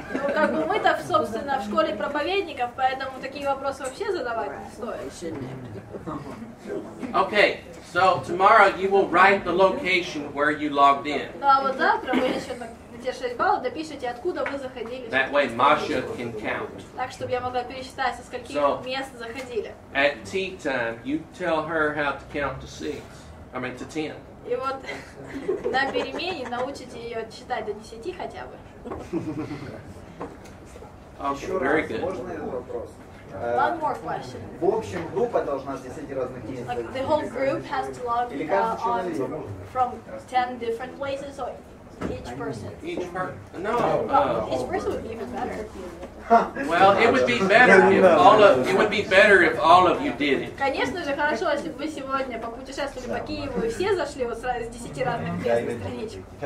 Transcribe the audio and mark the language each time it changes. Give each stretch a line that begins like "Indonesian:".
Russian: Ну как бы мы-то, собственно, в школе проповедников, поэтому такие вопросы вообще задавать не стоит.
English: Okay, so tomorrow you will write the location where you logged in.
Russian: Ну а вот завтра вы еще на те 6 баллов допишите, откуда вы заходили.
English: That way Masha can count.
Russian: Так, чтобы я могла пересчитать, со скольких мест заходили.
English: At tea time, you tell her how to count to 6. I mean, to 10.
Russian: И вот на перемене научите ее считать до 10 хотя бы. Еще раз, можно этот вопрос?
English: One more question.
Russian: В общем, группа должна с 10 разных мест.
English: Like, the whole group has to log on from 10 different places, or each person? Each person would be even better. Well, it would be better if all of you did it.
Russian: Конечно же, хорошо, если бы вы сегодня попутешествовали по Киеву и все зашли вот сразу с 10 разных мест на страничку.